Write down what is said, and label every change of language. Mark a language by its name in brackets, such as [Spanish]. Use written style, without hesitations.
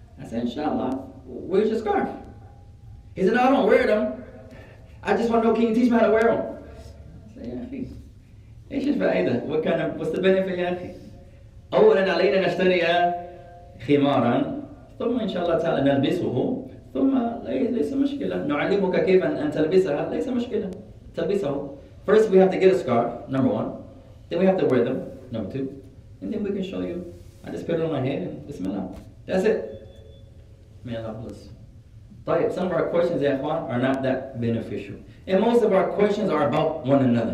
[English] I said, inshallah, where's your scarf? He said, no, I don't wear them. I just want to know, can you teach me how to wear them? I said, yeah, hey. It's just for either. What's the benefit, yeah? [Arabic] أولاً علينا نشتري خماراً ثم إن شاء الله تعالى نلبسه ثم ليس مشكلة نعلمك كيف أن تلبسها ليس مشكلة تلبسه. [English] First we have to get a scarf, number one. Then we have to wear them, number two. And then we can show you. I just put it on my head and بسم الله. That's it. May Allah bless. طيب, some of our questions, يا إخوان, are not that beneficial. And most of our questions are about one another.